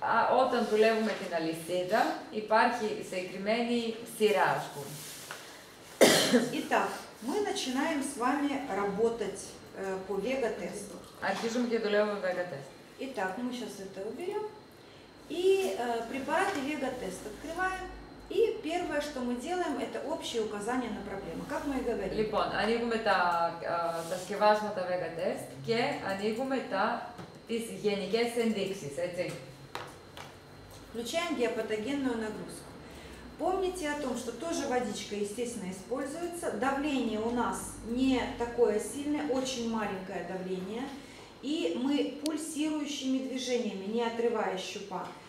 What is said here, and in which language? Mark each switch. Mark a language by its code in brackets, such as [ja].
[el] Όταν δουλεύουμε την αλυσίδα, υπάρχει συγκεκριμένη σειρά, ας πούμε. [ru] Итак, мы начинаем с вами работать по Вега-тесту. [el] Αρχίζουμε και δουλεύουμε με Вега-тест. [ru] Итак, мы сейчас это уберем. И препараты Вега-тест открываем. И первое, что мы делаем, это общие указания на проблемы. Как мы и говорили. [el] Λοιπόν, ανοίγουμε τα σκευάσματα Вега-тест και ανοίγουμε τις γενικές ενδείξεις, έτσι. [ru] Включаем геопатогенную нагрузку. Помните о том, что тоже водичка, естественно, используется. Давление у нас не такое сильное, очень маленькое давление. И мы пульсирующими движениями, не отрывая щупа.